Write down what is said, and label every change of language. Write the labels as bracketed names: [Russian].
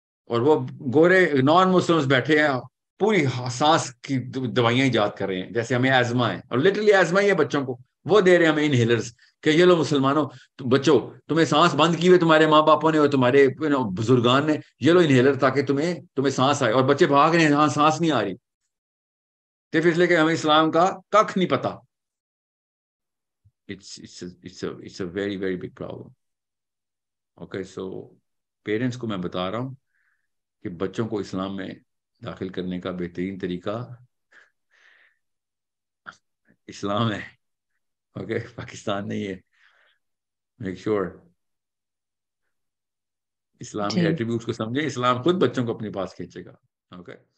[Urdu] اور وہ گورے نان مسلمز بیٹھے ہیں, پوری سانس کی دوائیاں ایجاد کر رہے ہیں, جیسے ہمیں ایزما ہے, اور لٹرلی ایزما ہی ہے بچوں کو. وہ دے رہے ہیں ہمیں انہیلرز کہ یہ لو مسلمانوں بچوں, تمہیں سانس بند کی ہوئی تمہارے ماں باپوں نے اور تمہارے بزرگان نے, یہ لو انہیلر تاکہ تمہیں سانس آئے. اور بچے بھاگ رہے ہیں, ہاں سانس نہیں آ رہی. تو پھر اس لیے کہ ہمیں اسلام کا ککھ نہیں پتا. [English] It's a very very big problem. [Urdu] Okay, so parents کو میں بتا رہا ہوں کہ بچوں کو اسلام میں داخل کرنے کا بہترین طریقہ اسلام ہے. اوکے, پاکستان نہیں ہے. میک شیور اسلام کے ایٹریبیوٹس کو سمجھیں. اسلام خود بچوں کو اپنے پاس کھینچے گا. اوکے.